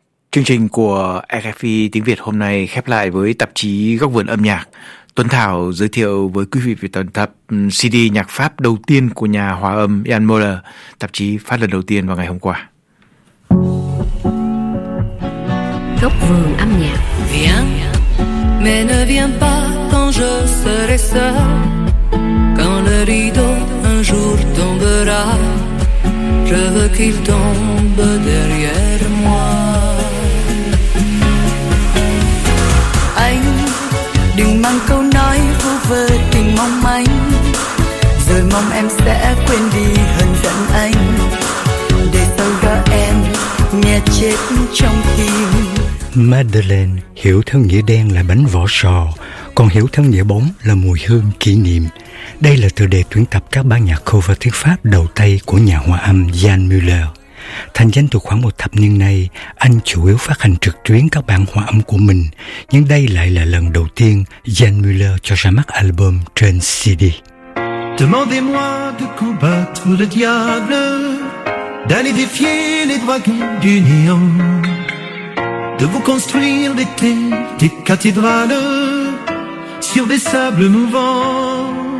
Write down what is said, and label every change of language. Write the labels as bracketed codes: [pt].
[vi] Chương trình của RFI tiếng Việt hôm nay khép lại với tạp chí Góc Vườn Âm Nhạc. Tuấn Thảo giới thiệu với quý vị về tuần tập CD nhạc Pháp đầu tiên của nhà hòa âm Ian Moller, tạp chí phát lần đầu tiên vào ngày hôm qua. Góc Vườn Âm Nhạc. [fr] Viens, mais ne viens pas quand je serai seul. Quand le rideau un jour tombera, je veux qu'il tombe derrière moi. [vi] Đừng mang câu nói vu vơ tình mong manh, rồi mong em sẽ quên đi hờn giận anh, để sau đó em nghe chết trong tim. Madeleine hiểu thân nghĩa đen là bánh vỏ sò, còn hiểu thân nghĩa bóng là mùi hương kỷ niệm. Đây là tựa đề tuyển tập các ban nhạc cover tiếng Pháp đầu tay của nhà hòa âm Jan Müller. Thành danh từ khoảng một thập niên nay, anh chủ yếu phát hành trực tuyến các bản hòa âm của mình, nhưng đây lại là lần đầu tiên Jan Müller cho ra mắt album trên CD. [fr] Demandez-moi de combattre le diable, d'aller défier les dragons du néon, de vous construire des têtes, des cathédrales sur des sables mouvants.